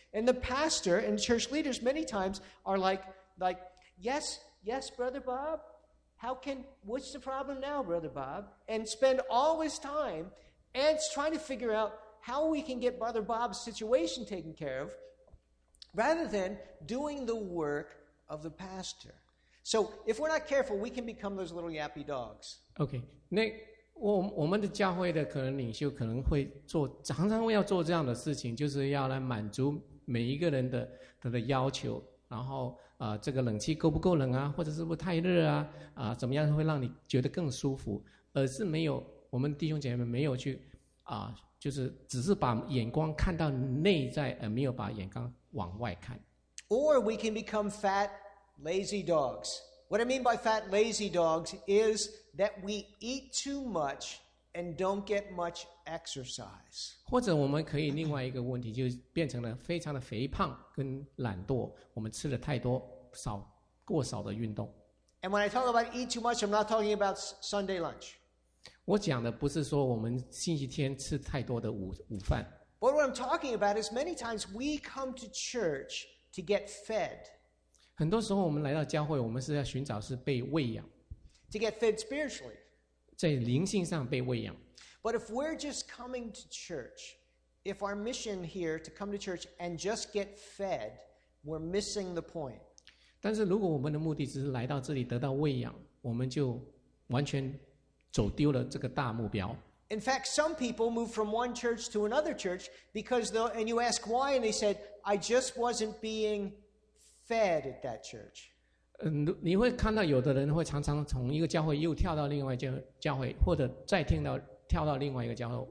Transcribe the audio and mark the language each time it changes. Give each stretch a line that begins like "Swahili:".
English: And the pastor and church leaders many times are like, yes, yes, Brother Bob, what's the problem now, Brother Bob? And spend all his time and trying to figure out how we can get Brother Bob's situation taken care of rather than doing the work of the pastor. So if we're not careful, we can become those little yappy dogs.
Chinese: Okay, 那我们的教会的可能领袖可能会做，常常要做这样的事情，就是要来满足每一个人的他的要求。然后这个冷气够不够冷啊？或者是不是太热啊？怎么样会让你觉得更舒服？而是没有我们弟兄姐妹们没有去就是只是把眼光看到内在，而没有把眼光往外看。
English: Or we can become fat. Lazy dogs. What I mean by fat lazy dogs is that we eat too much and don't get much exercise.
Chinese: 或者我们可以另外一个问题就变成了非常的肥胖跟懒惰，我们吃了太多，过少的运动。
English: And when I talk about eat too much, I'm not talking about Sunday lunch.
Chinese: 我讲的不是说我们星期天吃太多的午饭。
English: But what I'm talking about is many times we come to church to get fed.
Chinese: 很多时候我们来到教会，我们是要寻找是被喂养。
English: To get fed spiritually.
Chinese: 在灵性上被喂养。
English: But if we're just coming to church, if our mission here to come to church and just get fed, we're missing the point.
Chinese: 但是如果我们的目的只是来到这里得到喂养，我们就完全走丢了这个大目标。
English: In fact, some people move from one church to another church because they'll, and you ask why, and they said, I just wasn't being... Fed at that church.
Chinese: 你会看到有的人会常常从一个教会又跳到另外一个教会，或者再跳到另外一个教会。